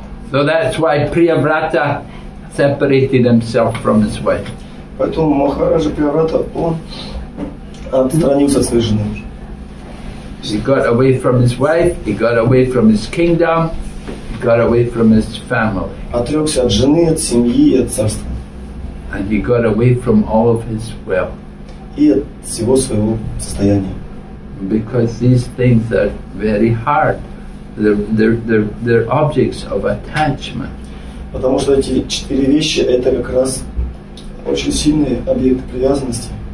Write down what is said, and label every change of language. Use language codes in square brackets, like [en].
[en] So that's why Priyavrata separated himself from his wife. [ru] Поэтому Махараджа Приврата, он отстранился от своей жены. [en] He got away from his wife, he got away from his kingdom, he got away from his family. [ru] Отрекся от жены, от семьи и от царства. [en] And he got away from all of his wealth. [ru] И от всего своего состояния. [en] Because these things are very hard. They're objects of attachment. [ru] Потому что эти четыре вещи, это как раз очень сильные объекты привязанности.